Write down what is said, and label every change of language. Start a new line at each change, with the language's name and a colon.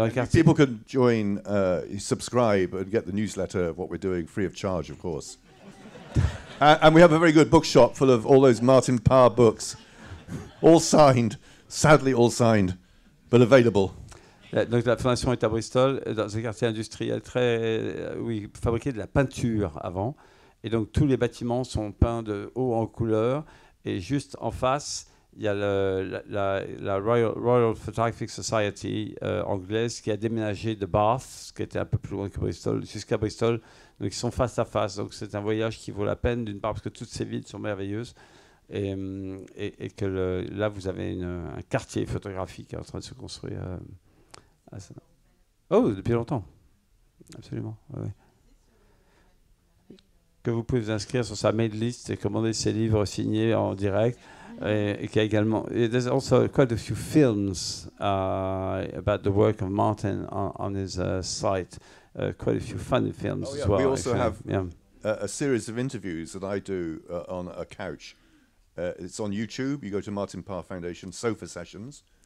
English: People can join, subscribe, and get the newsletter of what we're doing free of charge, of course. And we have a very good bookshop full of all those Martin Parr books, all signed, sadly all signed, but available.
French: Donc la fondation est à Bristol, dans un quartier industriel très, où ils fabriquaient de la peinture avant. Et donc tous les bâtiments sont peints de haut en couleur. Et juste en face, il y a la Royal Photographic Society anglaise qui a déménagé de Bath, qui était un peu plus loin que Bristol, jusqu'à Bristol. Donc ils sont face à face. Donc c'est un voyage qui vaut la peine, d'une part, parce que toutes ces villes sont merveilleuses. Et que là, vous avez un quartier photographique en train de se construire. Oh, depuis longtemps. Absolument. Ouais. Que vous pouvez vous inscrire sur sa mail list et commander ses livres signés en direct. Et qu'il y a également.
English: There's also quite a few films about the work of Martin on his site. Quite a few funny films as well. We also have a series of interviews that I do on a couch. It's on YouTube. You go to Martin Parr Foundation Sofa Sessions.